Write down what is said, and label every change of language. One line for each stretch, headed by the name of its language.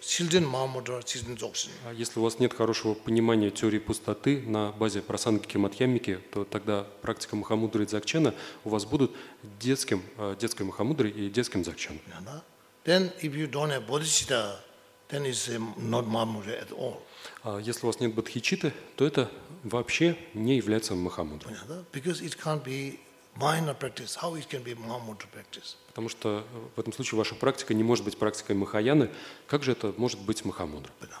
Russian: Если у вас нет хорошего понимания теории пустоты на базе Прасангики Мадхьямики, то тогда практика Махамудры и Дзакчена у вас будут детской Махамудрой и детским Дзакченом.
English: Then if you don't have bodhicitta, then it's not Mahamudra at all.
Russian: Если у вас нет бодхичитты, то это вообще не является Махамудрой. Понятно?
English: Because it can't be minor practice. How it can be Mahamudra practice?
Russian: Потому что в этом случае ваша практика не может быть практикой Махаяны. Как же это может быть Махамудра?